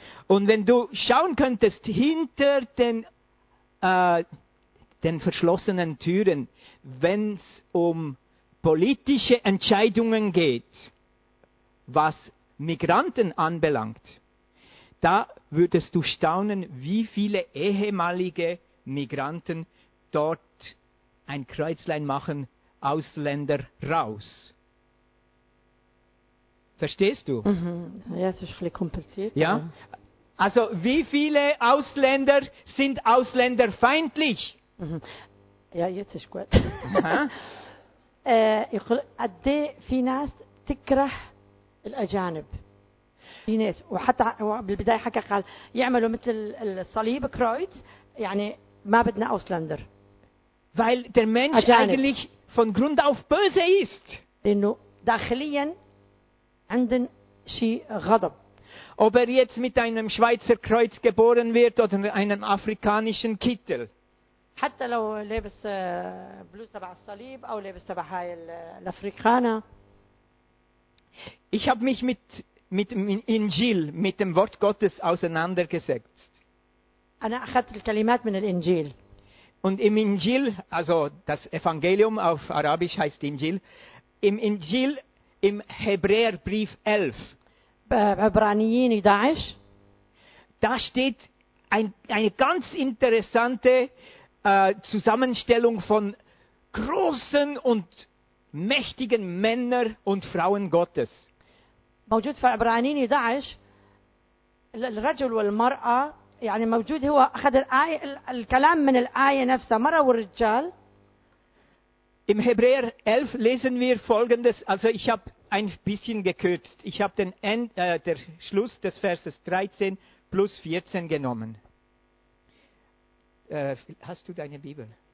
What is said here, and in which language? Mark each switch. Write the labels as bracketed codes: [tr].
[de] Und wenn du schauen könntest hinter den verschlossenen Türen, wenn es um politische Entscheidungen geht, was Migranten anbelangt, da würdest du staunen, wie viele ehemalige Migranten dort ein Kreuzlein machen, Ausländer raus. Verstehst du? Ja, es ist ein bisschen kompliziert. Ja? Also, wie viele Ausländer sind ausländerfeindlich? Ja, jetzt ist gut. [ar] يقول قد في ناس تكره الأجانب في ناس وحتى بالبداية حكى قال يعملوا مثل الصليب كرويتز يعني ما بدنا أوسلندر [de] weil der Mensch eigentlich von Grund auf böse ist [ar] لأنه داخليا عندن شيء غضب [de] ob er jetzt mit einem Schweizer Kreuz geboren wird oder mit einem afrikanischen Kittel [ar] حتى لو لابس بلوز تبع الصليب او لابس تبع هاي الافريكانا [de] Ich habe mich mit Injil mit dem Wort Gottes auseinandergesetzt. [ar] انا اخذت الكلمات من الانجيل. [de] Und im Injil, also das Evangelium auf Arabisch heißt Injil, im Injil, im Hebräerbrief 11, da steht eine ganz interessante Zusammenstellung von großen und mächtigen Männern und Frauen Gottes. [ar] موجود في عبرانيين 11 الرجل والمرأة يعني موجود هو أخذ الآية الكلام من الآية نفسها مرأة والرجال. [de] Im Hebräer 11 lesen wir folgendes, also ich habe ein bisschen gekürzt. Ich habe den der Schluss des Verses 13 plus 14 genommen. Hast du deine Bibel?